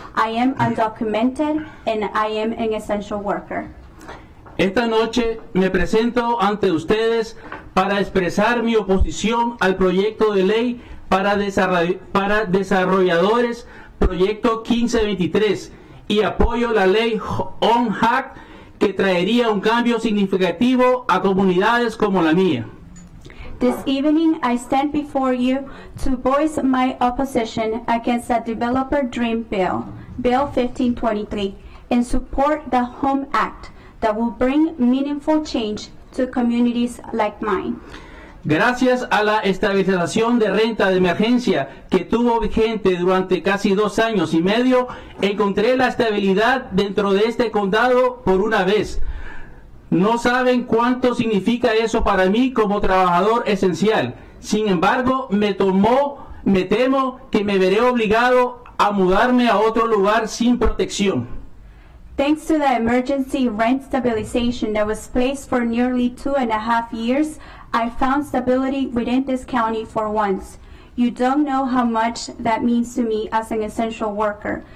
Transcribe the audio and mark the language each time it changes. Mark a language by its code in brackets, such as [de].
[en] I am undocumented and I am an essential worker. [es] Esta noche me presento ante ustedes para expresar mi oposición al proyecto de ley para desarrolladores, proyecto 1523, y apoyo la ley ONHAC que traería un cambio significativo a comunidades como la mía. [en] This evening, I stand before you to voice my opposition against the Developer Dream Bill, Bill 1523, and support the HOME Act that will bring meaningful change to communities like mine. [es] Gracias a la estabilización de renta de emergencia que tuvo vigente durante casi 2 años y medio, encontré la estabilidad dentro de este condado por una vez. No saben cuánto significa eso para mí como trabajador esencial. Sin embargo, me temo que me veré obligado a mudarme a otro lugar sin protección. [en] Thanks to the emergency rent stabilization that was placed for nearly 2.5 years, I found stability within this county for once. You don't know how much that means to me as an essential worker.